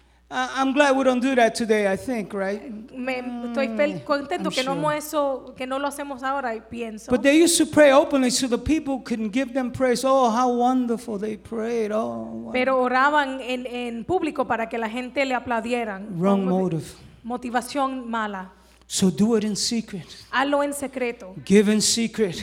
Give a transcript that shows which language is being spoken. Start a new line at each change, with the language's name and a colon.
English: I'm glad we don't do that today, I think, right?
Spanish: Estoy contento que no hacemos eso, que no lo hacemos ahora, pienso.
English: But they used to pray openly so the people can give them praise. Oh, how wonderful they prayed. Oh, wow.
Spanish: Pero oraban en público para que la gente le aplaudieran.
English: Wrong motive.
Spanish: Motivación mala.
English: So do it in secret.
Spanish: Hazlo en secreto.
English: Give in secret.